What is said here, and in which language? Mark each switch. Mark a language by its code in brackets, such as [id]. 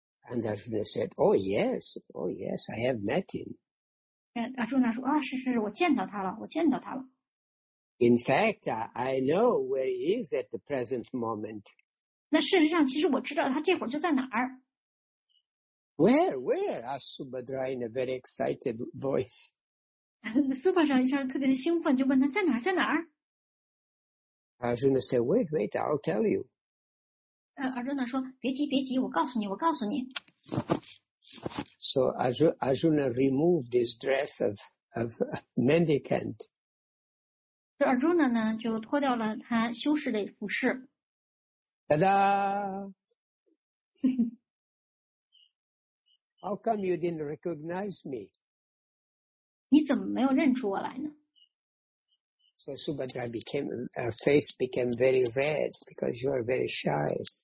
[en] And Arjuna said, oh yes, I have met him. Arjuna said, oh, [zh] 是是是,我见到他了,我见到他了。 [en] In fact, I know where he is at the present moment. [zh] 那事实上,其实我知道他这会儿就在哪儿。 [en] Where? Asked Subhadra in a very excited voice. [zh] Subhadra一下特别兴奋,就问他在哪儿,在哪儿? [en] Arjuna said, wait, I'll tell you. Arjuna said, [zh] 别急,我告诉你。 [en] So Arjuna removed his dress of mendicant. [zh] So Arjuna 呢就脱掉了他修士的服饰. [en] Ta-da! How come you didn't recognize me? [zh] 你怎么没有认出我来呢? [en] So Subhadra became her face became very red because you are very shy.